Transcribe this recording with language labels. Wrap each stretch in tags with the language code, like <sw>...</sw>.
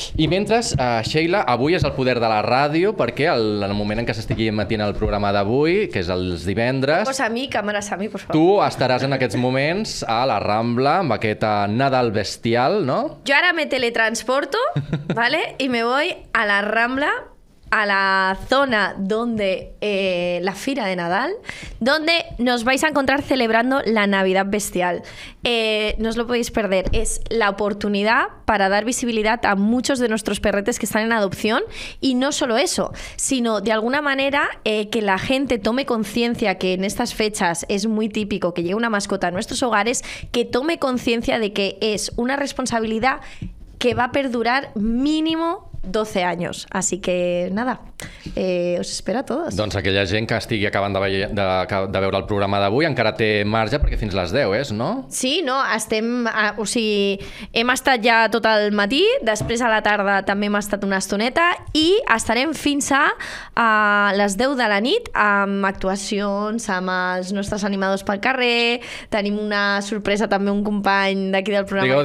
<ca>I mentre, Sheila, avui és el poder de la ràdio, perquè en el moment en què s'estigui emetint el programa d'avui, que és els divendres... Posa a mi, càmera a mi, per favor. Tu estaràs en aquests moments a la Rambla amb aquest Nadal bestial, no? Jo ara me teletransporto, vale? I</ca> <es>me voy a la Rambla... a la zona donde la fira de Nadal, donde nos vais a encontrar celebrando la Navidad bestial. No os lo podéis perder, es la oportunidad para dar visibilidad a muchos de nuestros perretes que están en adopción, y no solo eso, sino de alguna manera que la gente tome conciencia, que en estas fechas es muy típico que llegue una mascota a nuestros hogares, que tome conciencia de que es una responsabilidad que va a perdurar mínimo 12 anys, así que nada, os espero a todos.</es> <ca>Doncs aquella gent que estigui acabant de veure el programa d'avui encara té marge, perquè fins a les 10 és, no? Sí, no, estem, o sigui, hem estat ja tot el matí, després a la tarda també hem estat una estoneta, i estarem fins a les 10 de la nit amb actuacions, amb els nostres animadors pel carrer, tenim una sorpresa també, un company d'aquí del programa.</ca>